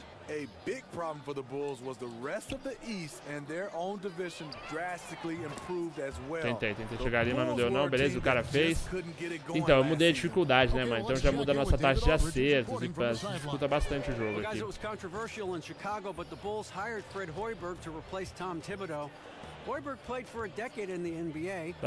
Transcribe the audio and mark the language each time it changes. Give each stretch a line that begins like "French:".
English: A big problem for the Bulls was the rest of the East and their own division drastically improved as well.
Portuguese: Tentei chegar ali, mas não deu não. Beleza, o cara fez. Então, eu mudei a dificuldade, né, mano? Então já muda a nossa taxa de acertos e dificulta bastante o jogo aqui.
English: Guys, it was controversial in Chicago, but the Bulls hired Fred Hoiberg to replace Tom Thibodeau. Hoiberg played for a decade in the NBA.